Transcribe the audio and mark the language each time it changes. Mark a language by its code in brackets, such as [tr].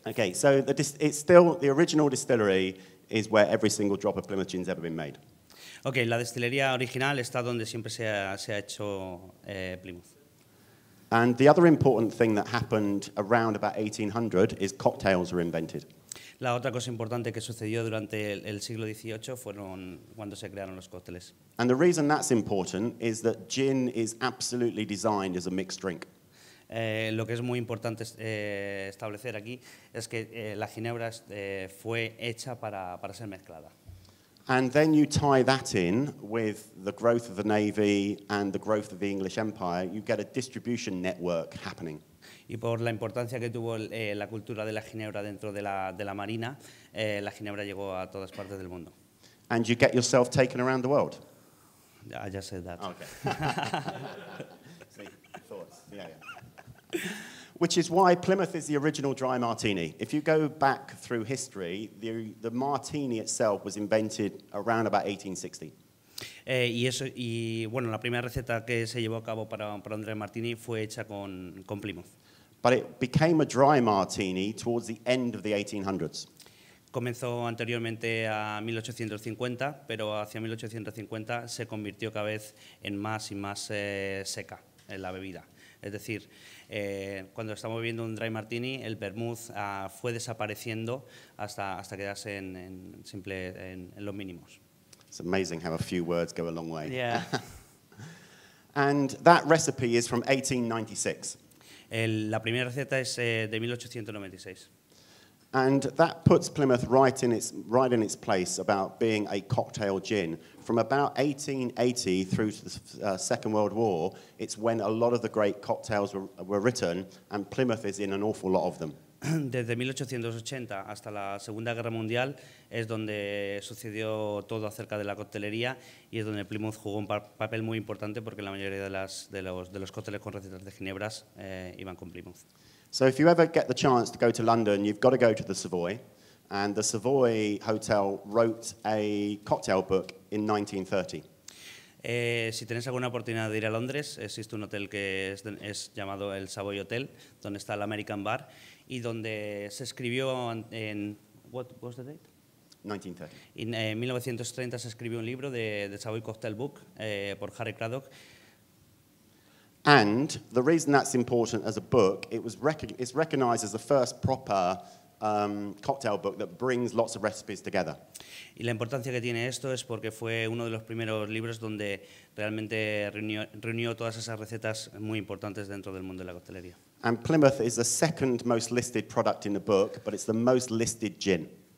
[en] Okay, so it's still the original distillery is where every single drop of Plymouth gin's ever been made. [es] Okay, la destilería original está donde siempre se ha hecho Plymouth. [en] And the other important thing that happened around about 1800 is cocktails were invented. [es] La otra cosa importante que sucedió durante el siglo XVIII fueron cuando se crearon los cócteles. [en] And the reason that's important is that gin is absolutely designed as a mixed drink. [es] Lo que es muy importante establecer aquí es que la ginebra fue hecha para ser mezclada. [en] And then you tie that in with the growth of the navy and the growth of the English Empire, you get a distribution network happening. [es] Y por la importancia que tuvo la cultura de la ginebra dentro de la marina, la ginebra llegó a todas partes del mundo. [en] And you get yourself taken around the world. I just said that. Okay. See, thoughts. Yeah. Which is why Plymouth is the original dry martini. If you go back through history, the martini itself was invented around about 1860. [es] Y la primera receta que se llevó a cabo para André Martini fue hecha con Plymouth. [en] But it became a dry martini towards the end of the 1800s. [es] Comenzó anteriormente a 1850, pero hacia 1850 se convirtió cada vez en más y más seca en la bebida. Es decir, cuando estamos viendo un dry martini, el vermouth fue desapareciendo hasta quedarse en los mínimos. [en] It's amazing how a few words go a long way. Yeah. And that recipe is from 1896. [es] La primera receta es de 1896. [en] And that puts Plymouth right in its place about being a cocktail gin. From about 1880 through to the Second World War, it's when a lot of the great cocktails were written, and Plymouth is in an awful lot of them. [es] Desde 1880 hasta la Segunda Guerra Mundial es donde sucedió todo acerca de la coctelería y es donde Plymouth jugó un papel muy importante porque la mayoría de los cócteles con recetas de ginebras iban con Plymouth. [en] So if you ever get the chance to go to London, you've got to go to the Savoy, and the Savoy Hotel wrote a cocktail book in 1930. [es] Si tenéis alguna oportunidad de ir a Londres, existe un hotel que es llamado el Savoy Hotel, donde está el American Bar, y donde se escribió en... [en] What was the date? 1930. [es] En 1930 se escribió un libro de Savoy Cocktail Book por Harry Craddock. [en] And the reason that's important as a book, it's recognized as the first proper cocktail book that brings lots of recipes together. [es] Y la importancia que tiene esto es porque fue uno de los primeros libros donde realmente reunió todas esas recetas muy importantes dentro del mundo de la coctelería. [en] And Plymouth is the second most listed product in the book, but it's the most listed gin.